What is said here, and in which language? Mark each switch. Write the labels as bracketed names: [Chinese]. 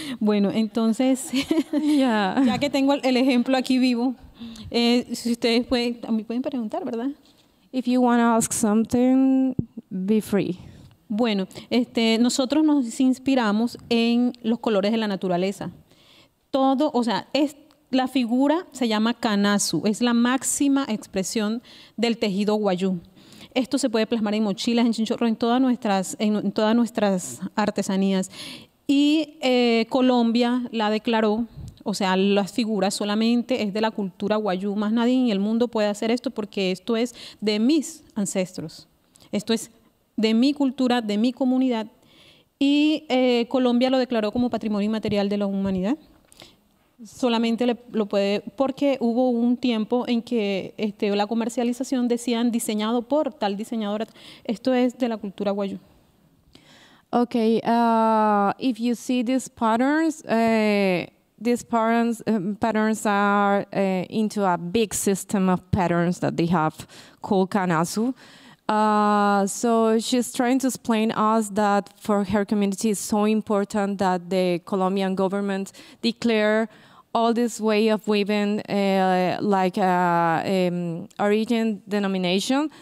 [Spanish] Bueno, entonces, ya que tengo el ejemplo aquí vivo, si ustedes pueden, a mí pueden preguntar, ¿verdad? [English] If you want to ask something, be free. [Spanish] Bueno, nosotros nos inspiramos en los colores de la naturaleza. Todo, o sea, es la figura se llama kanasu, es la máxima expresión del tejido wayú. Esto se puede plasmar en mochilas, en chinchorro, en todas nuestras artesanías. Y Colombia la declaró, o sea, las figuras solamente es de la cultura wayú. Más nadie en el mundo puede hacer esto porque esto es de mis ancestros. Esto es de mi cultura, de mi comunidad. Y Colombia lo declaró como patrimonio inmaterial de la humanidad. Solamente lo puede, porque hubo un tiempo en que la comercialización decían diseñado por tal diseñadora. Esto es de la cultura wayú. [English] Okay, if you see these patterns, patterns are into a big system of patterns that they have called kanasu. So she's trying to explain us that for her community it's so important that the Colombian government declare all this way of weaving origin denomination.